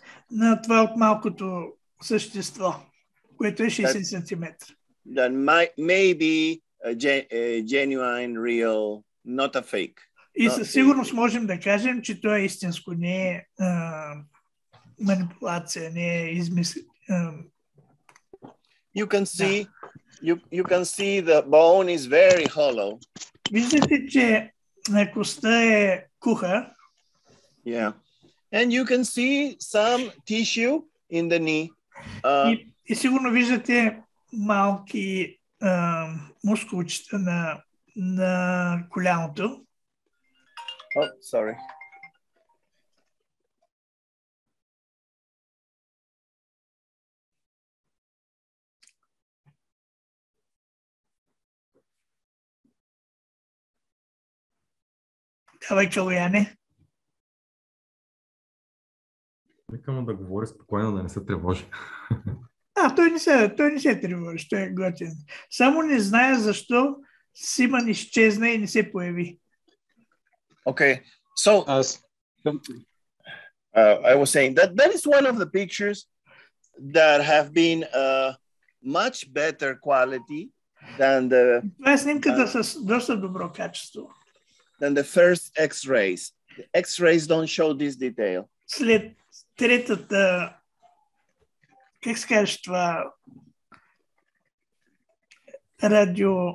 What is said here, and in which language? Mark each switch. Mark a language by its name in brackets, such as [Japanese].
[Bulgarian] На това от малкото същество, което е 60 сантиметра. [English] That maybe a genuine, real, not a fake. [Bulgarian] И със сигурност можем да кажем, че това е истинско, не е манипулация, не е измислен. [English] You can see the bone is very hollow. [Bulgarian] Виждате, че на коста е куха. [English] Yeah. And you can see some tissue in the knee. [Bulgarian] И сигурно виждате малки мускулчета на коляното. [English] Oh, sorry. [Bulgarian] Давай, Калуяне. Нека му да говори спокойно, да не се тревожи. А, той не се тревожи, той е готин. Само не знае защо Симон изчезна и не се появи. [English] Okay, so I was saying that is one of the pictures that have been much better quality than the. [Bulgarian] Това е снимката с доста добро качество. [English] Than the first X-rays. The X-rays don't show this detail. [Bulgarian] След третата, как се кажеш това, радио...